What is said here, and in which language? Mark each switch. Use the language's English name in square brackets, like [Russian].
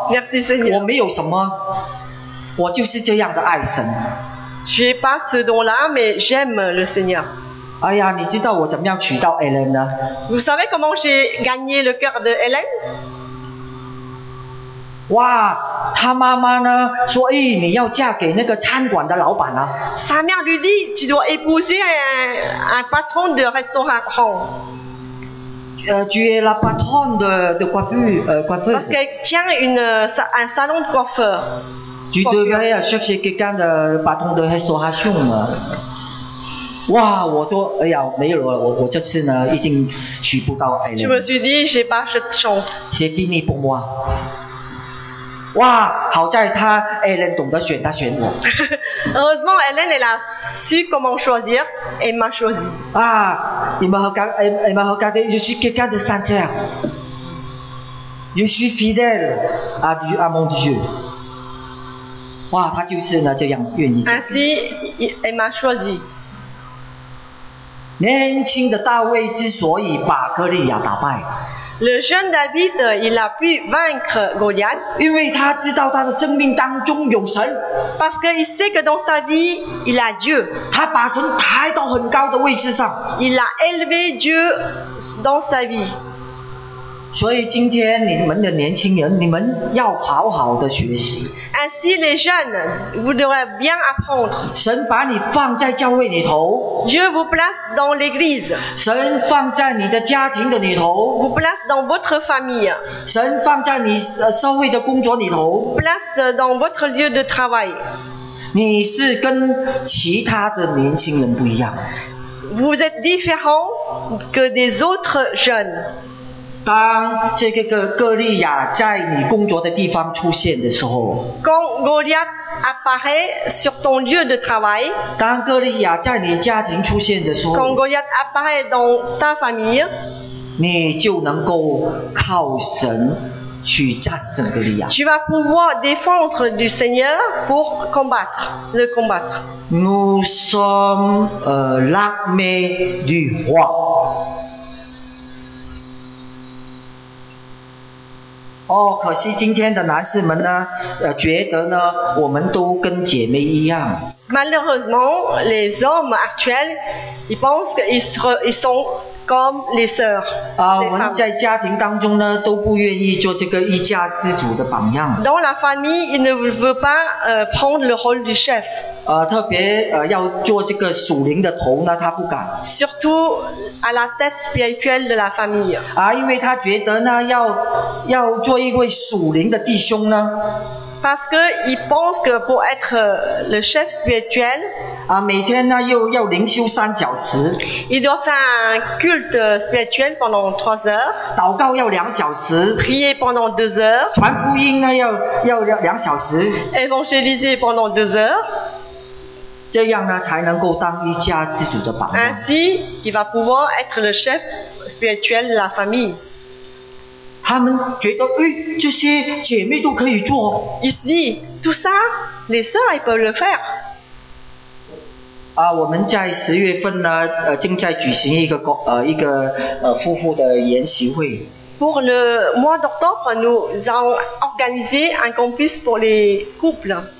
[French] Merci Seigneur。 [Chinese] 我没有什么，我就是这样的爱神。 [French] J'ai pas ce don-là, mais j'aime le Seigneur。 [Chinese] 哎呀，你知道我怎么样娶到 Ellen 呢 [French] ？Vous savez comment j'ai gagné le cœur de Ellen？ [Chinese] 哇，他妈妈呢说，哎，你要嫁给那个餐馆的老板啊 [French] ？Sa mère lui dit, tu dois épouser un patron de restaurant. Tu es la patronne de coiffeuse. Parce qu'elle tient un salon de coiffeur. Tu devrais chercher quelqu'un de patron de restauration. [Chinese] 哇，我说哎呀，没有了，我这次呢一定娶不到爱人。 [French] Je me suis dit, j'ai pas cette chance. C'est fini pour moi. [Chinese] 哇，好在他 Ellen 懂得选，他选我。 [French] Heureusement, Ellen elle a su comment choisir et m'a choisi. [Chinese] 啊，你们和刚，你们和刚的 ， [French] je suis quelqu'un de sincère. Je suis fidèle à Dieu, à mon Dieu. [Chinese] 哇，他就是呢这样愿意。 [French] Ainsi, elle m'a choisi. [Chinese] 年轻的大卫之所以把哥利亚打败。 [French] Le jeune David, il a pu vaincre Goliath. [Chinese] 因为他知道他的生命当中有神。 [French] Parce qu'il sait que dans sa vie, il a Dieu. [Chinese] 他把神抬到很高的位置上。 [French] Il a élevé Dieu dans sa vie. [Chinese] 所以今天你们的年轻人，你们要好好的学习。 [French] Ainsi, les jeunes, vous devez bien apprendre. [Chinese] 神把你放在教会里头。 [French] Dieu vous place dans l'église. [Chinese] 神放在你的家庭的里头。 [French] Vous place dans votre famille. [Chinese] 神放在你社会的工作里头。 [French] Place dans votre lieu de travail. [Chinese] 你是跟其他的年轻人不一样。 [French] Vous êtes différent que des autres jeunes. [Chinese] 当这个哥利亚在你工作的地方出现的时候，当哥利亚 [French] apparaît sur ton lieu de travail， [Chinese] 当哥利亚在你家庭出现的时候，当哥利亚 [French] apparaît dans ta famille， [Chinese] 你就能够靠神去战胜哥利亚。 [French] Tu vas pouvoir défendre du Seigneur pour combattre le combattre。 Nous sommes l'armée du roi。 [Chinese] 哦，可惜今天的男士们呢，觉得呢，我们都跟姐妹一样。 [French] Malheureusement, les hommes actuels, ils pensent qu'ils sont comme les sœurs. [Chinese] 啊，我们在家庭当中呢，都不愿意做这个一家之主的榜样。 [French] Dans la famille, ils ne veulent pas prendre le rôle du chef. [Chinese] 特别要做这个属灵的头呢，他不敢。 [French] Surtout à la tête spirituelle de la famille. [Chinese] 啊，因为他觉得呢，要做一位属灵的弟兄呢。 [French] Parce qu'il pense que pour être le chef spirituel, [Chinese] 啊，每天呢又要灵修三小时。 [French] Il doit faire un culte spirituel pendant trois heures. [Chinese] 祷告要两小时。 [French] Prier pendant deux heures. [Chinese] 传福音呢要两小时。 [French] Évangéliser pendant deux heures. [Chinese] 这样呢才能够当一家之主的榜样。 [French] Ainsi, il va pouvoir être le chef spirituel de la famille. [Chinese] 他们觉得，哎，这些姐妹都可以做。 [French] Ici, tout ça, les sœurs elles peuvent le faire. [Chinese] 啊，我们在十月份呢，正在举行一个夫妇的研习会。 [French] Pour le mois d'octobre, nous avons organisé un campus pour les couples.